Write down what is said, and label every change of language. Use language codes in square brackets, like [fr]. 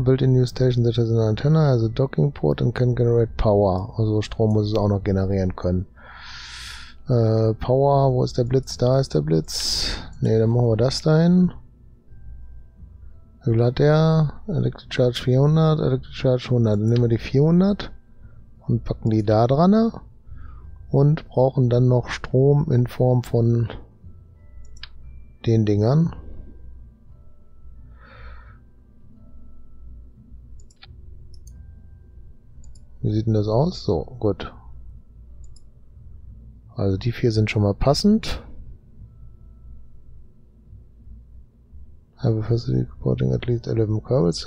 [en] Built in new station, that has an antenna, also docking port and can generate power. [de] Also Strom muss es auch noch generieren können. Power, wo ist der Blitz? Da ist der Blitz. Ne, dann machen wir das dahin. Wie viel hat der? Electric Charge 400, Electric Charge 100. Dann nehmen wir die 400 und packen die da dran. Und brauchen dann noch Strom in Form von den Dingern. Wie sieht denn das aus? So, gut. Also die vier sind schon mal passend. [en] Have a facility supporting at least 11 Kabels.